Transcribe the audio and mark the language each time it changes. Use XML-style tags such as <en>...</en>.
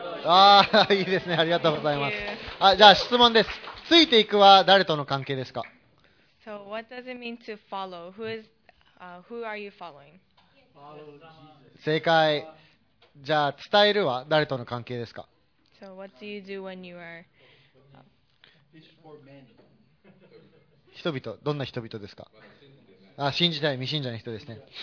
<ja>あ、いいですね。ありがとうございます。あ、じゃあ質問です。ついていくは誰との関係ですか。</ja> <en>So what does it mean to follow? Who is, who are you following?</en> <ja>正解。じゃあ伝えるは誰との関係ですか。</ja> <en>So what do you do when you are</en> <ja>人々、どんな人々ですか。あ、信じたい未信者の人ですね。</ja>